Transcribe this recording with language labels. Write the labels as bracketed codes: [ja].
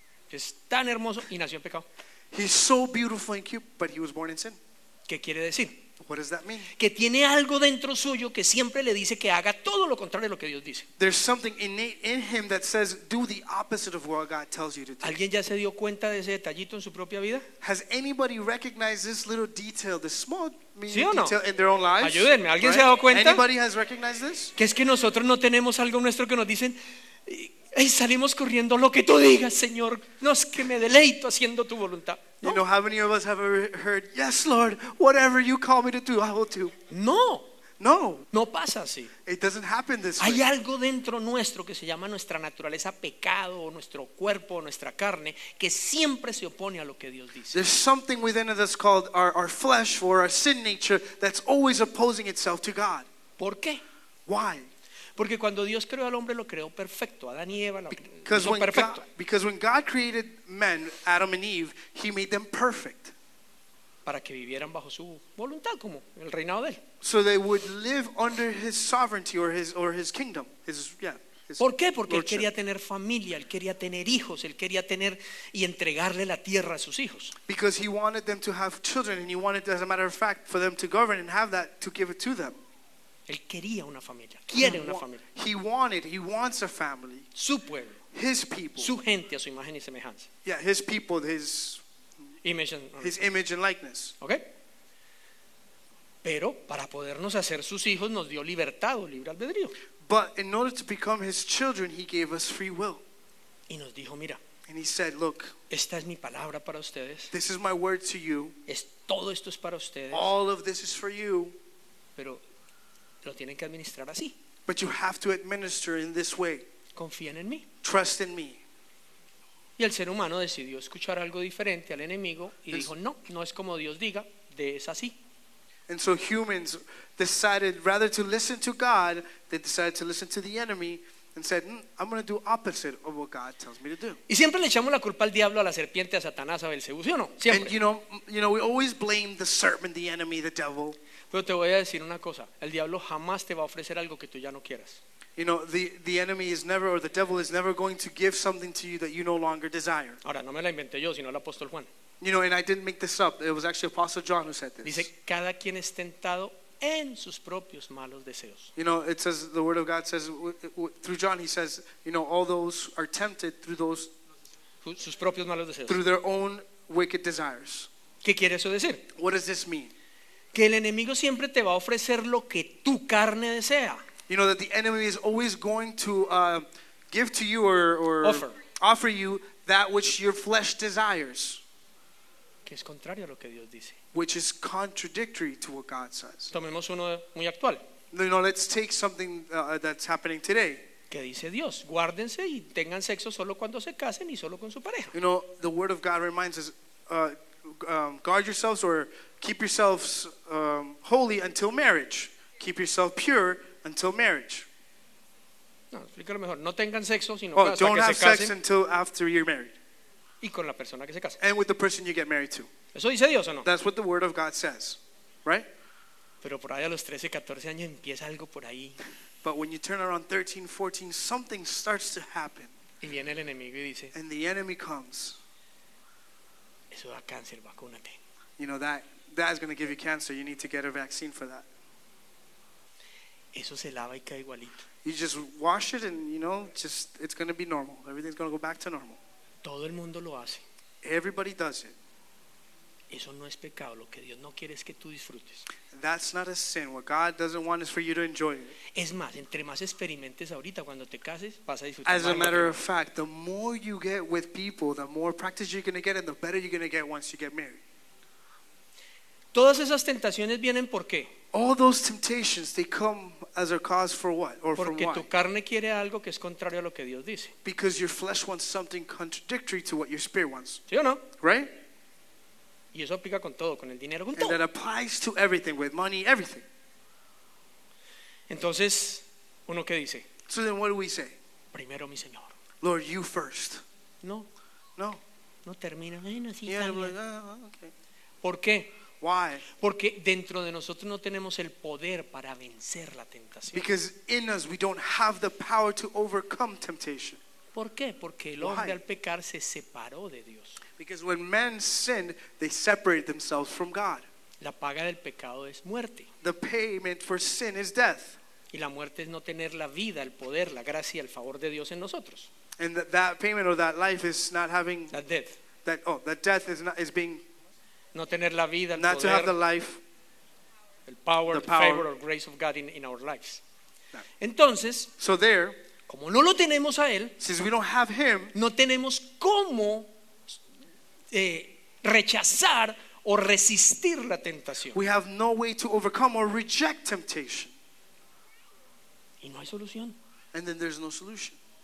[es] Es tan hermoso y nació en pecado. [en] He's so beautiful and cute, but he was born in sin. [es] ¿Qué quiere decir? [en] What does that mean? [es] Que tiene algo dentro suyo que siempre le dice que haga todo lo contrario de lo que Dios dice. [en] There's something innate in him that says do the opposite of what God tells you to do. [es] ¿Alguien ya se dio cuenta de ese detallito en su propia vida? [en] Has anybody recognized this little detail, this small [es] ¿Sí o no? [en] detail in their own lives? [es] Ayúdenme, ¿alguien [en] right? [es] se ha dado cuenta? [en] Anybody has recognized this? [es] Que es que nosotros no tenemos algo nuestro que nos dicen y salimos corriendo lo que tú digas, Señor. No es que me deleito haciendo tu voluntad. [en] You know how many of us have ever heard, "Yes, Lord, whatever you call me to do, I will do." [es] No. No. No pasa así. [en] It doesn't happen this way. [es] Hay algo dentro nuestro que se llama nuestra naturaleza pecado, o nuestro cuerpo, o nuestra carne, que siempre se opone a lo que Dios dice. [en] There's something within us called our flesh or our sin nature that's always opposing itself to God. [es] ¿Por qué? [en] Why? [es] Porque cuando Dios creó al hombre lo creó perfecto, Adán y Eva lo creó perfecto. [en] God, because when God created men, Adam and Eve, he made them perfect. [es] Para que vivieran bajo su voluntad como el reinado de él. [en] So they would live under his sovereignty or his kingdom. His [es] ¿Por qué? Porque él quería tener familia, él quería tener hijos, él quería tener y entregarle la tierra a sus hijos. [en] Because he wanted them to have children and he wanted, as a matter of fact, for them to govern and have that to give it to them. [es] Él quería una familia. Quiere una familia. [en] He wants a family. [es] Su pueblo. [en] His people. [es] Su gente a su imagen y semejanza. [en] Yeah, his people, his image and, his image and likeness. Okay. [es] Pero para podernos hacer sus hijos nos dio libertad o libre albedrío. [en] But in order to become his children, he gave us free will. [es] Y nos dijo, mira. [en] And he said, look. [es] Esta es mi palabra para ustedes. [en] This is my word to you. [es] Es todo esto es para ustedes. [en] All of this is for you. [es] Pero lo tienen que administrar así. [en] But you have to administer in this way. [es] Confíen en mí. [en] Trust in me. [es] Y el ser humano decidió escuchar algo diferente al enemigo y dijo, no, no es como Dios diga, de es así. [en] And so humans decided rather to listen to God, they decided to listen to the enemy and said, I'm going to do opposite of what God tells me to do. [es] Y siempre le echamos la culpa al diablo, a la serpiente, a Satanás, a Belcebú, ¿sí o no? Siempre. [en] And you know, we always blame the serpent, the enemy, the devil. [es] Pero te voy a decir una cosa, el diablo jamás te va a ofrecer algo que tú ya no quieras. [en] You know, the enemy is never, or the devil is never going to give something to you that you no longer desire. [es] Ahora, no me la inventé yo, sino el apóstol Juan. [en] You know, and I didn't make this up, it was actually Apostle John who said this. [es] Dice, cada quien es tentado en sus propios malos deseos. [en] You know, it says, the word of God says, through John he says, you know, all those are tempted through those, [es] sus propios malos deseos. [en] Through their own wicked desires. [es] ¿Qué quiere eso decir? [en] What does this mean? [es] Que el enemigo siempre te va a ofrecer lo que tu carne desea. [en] You know that the enemy is always going to give to you or offer you that which your flesh desires. [es] Que es contrario a lo que Dios dice. [en] Which is contradictory to what God says. [es] Tomemos uno muy actual. [en] You know, let's take something that's happening today. [es] Que dice Dios, guárdense y tengan sexo solo cuando se casen y solo con su pareja. [en] You know, the word of God reminds us, guard yourselves or keep yourselves holy until marriage. Keep yourself pure until marriage. [es] No, explícalo mejor. No tengan sexo sino hasta que se casen. [en] Don't have sex until after you're married. [es] Y con la persona que se case. [en] And with the person you get married to. [es] ¿Eso dice Dios o no? [en] That's what the word of God says, right? [es] Pero por ahí a los 13, 14 años empieza algo por ahí. [en] But when you turn around 13, 14, something starts to happen. [es] Y viene el enemigo y dice. [en] And the enemy comes. [es] Eso da cáncer, vacúnate. [en] You know that. That is going to give you cancer. You need to get a vaccine for that. [es] Eso se lava y cae igualito. [en] You just wash it and, you know, just it's going to be normal. Everything's going to go back to normal. [es] Todo el mundo lo hace. [en] Everybody does it. [es] Eso no es pecado. Lo que Dios no quiere es que tú disfrutes. [en] That's not a sin. What God doesn't want is for you to enjoy it. [es] Es más, entre más experimentes ahorita cuando te cases, vas a disfrutar. [en] As a matter of fact, the more you get with people, the more practice you're going to get, and the better you're going to get once you get married. [es] Todas esas tentaciones vienen por qué? [en] All those temptations, they come as a cause for what? Or [es] porque [en] from [es] tu carne quiere algo que es contrario a lo que Dios dice. [en] Because your flesh wants something contradictory to what your spirit wants. [es] ¿Sí o no? [en] Right? [es] Y eso aplica con todo, con el dinero, con [en] todo. And that applies to everything, with money, everything. [es] Entonces, ¿uno qué dice? [en] So then what do we say? [es] Primero mi Señor. [en] Lord, you first. [es] No. [en] No. [es] No termina. Bueno, sí, [en] yeah, [es] también. [en] Like, oh, okay. [es] ¿Por qué? [en] Why? [es] Porque dentro de nosotros no tenemos el poder para vencer la tentación. [en] Because in us we don't have the power to overcome temptation. [es] ¿Por qué? Porque el hombre al pecar se separó de Dios. [en] Because when men sinned, they separated themselves from God. [es] La paga del pecado es muerte. [en] The payment for sin is death. [es] Y la muerte es no tener la vida, el poder, la gracia, el favor de Dios en nosotros. [en] And that payment or that life is not having that death. That, oh, that death is not, is being [es] no tener la vida, el [en] not [es] poder, [en] to have the life, el power, the power, favor or grace of God in our lives. [es] No. Entonces, [en] so there, [es] como no lo tenemos a él, [en] since we don't have him, [es] no tenemos cómo rechazar o resistir la tentación. [en] We have no way to overcome or reject temptation. [es] Y no hay solución. [en] And then there's no solution.